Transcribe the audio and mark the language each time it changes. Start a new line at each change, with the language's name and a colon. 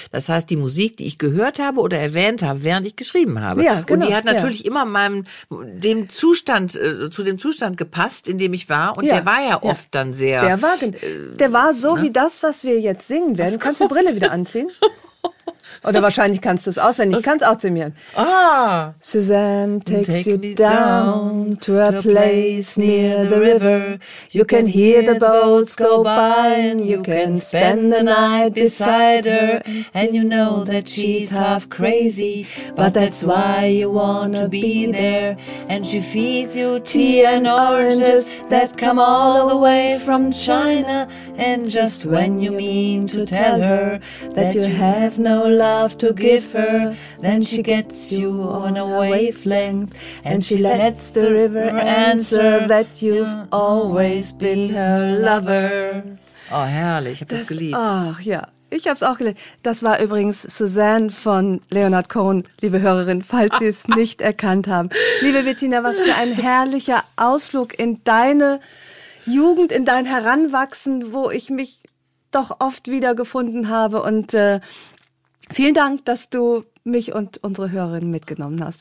German: Das heißt, die Musik, die ich gehört habe oder erwähnt habe, während ich geschrieben habe. Ja, genau. Und die hat natürlich immer zu dem Zustand gepasst, in dem ich war. Und der war ja oft dann sehr. Der war so wie das, was wir jetzt singen werden. Kannst du die Brille wieder anziehen? Oder wahrscheinlich kannst du es auswendig, ich kann es auch zu mir. Ah!
English: Suzanne takes you down to a place near the river. You can hear the boats go by and you can spend the night beside her. And you know that she's half crazy, but that's why you wanna be there. And she feeds you tea and oranges that come all the way from China. And just when you mean to tell her that you have no love to give her, then she gets you on a wavelength and she lets the river answer that you've always been her lover.
German: Oh, herrlich, ich hab das geliebt. Ach ja, ich hab's auch geliebt. Das war übrigens Suzanne von Leonard Cohen, liebe Hörerin, falls Sie es nicht erkannt haben. Liebe Bettina, was für ein herrlicher Ausflug in deine Jugend, in dein Heranwachsen, wo ich mich doch oft wiedergefunden habe und vielen Dank, dass du mich und unsere Hörerinnen mitgenommen hast.